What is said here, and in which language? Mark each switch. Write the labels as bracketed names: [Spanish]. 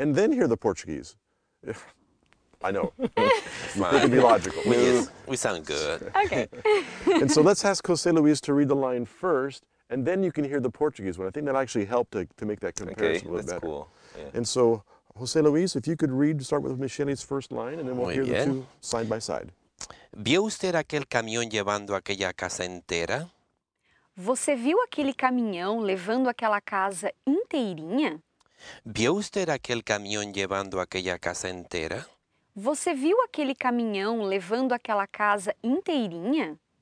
[English] And then hear the Portuguese. I know. It can be logical. We sound good. Okay. And so let's ask Jose Luis to read the line first. And then you can hear the Portuguese one. I think that actually helped to make that comparison a little better. Okay, that's cool. Yeah. And so, Jose Luis, if you could read, start with Michele's first line, and then we'll hear the two side by side. [Spanish] ¿Vio usted aquel camión llevando aquella casa entera? [Portuguese] ¿Você viu aquele caminhão levando aquela casa inteirinha? [Spanish] ¿Vio usted aquel camión llevando aquella casa entera? [Portuguese] ¿Você viu aquele caminhão levando aquela casa inteirinha?